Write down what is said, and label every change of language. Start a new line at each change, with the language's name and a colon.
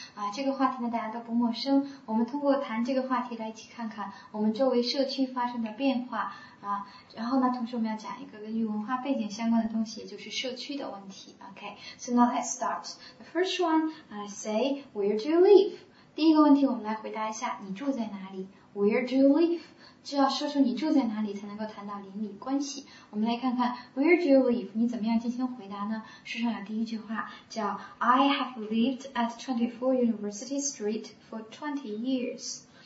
Chinese: 啊，这个话题呢大家都不陌生，我们通过谈这个话题来一起看看我们周围社区发生的变化。啊，然后呢同时我们要讲一个跟文化背景相关的东西，也就是社区的问题。
English: OK, so now let's start. The first one, I say, where do you live?
Chinese: 第一个问题我们来回答一下，你住在哪里？
English: Where do you live?
Chinese: 就要说出你住在哪里才能够谈到邻里关系。我们来看看
English: Where do you live?
Chinese: 你怎么样进行回答呢？书上有第一句话叫
English: I have lived at 24 University Street for 20 years.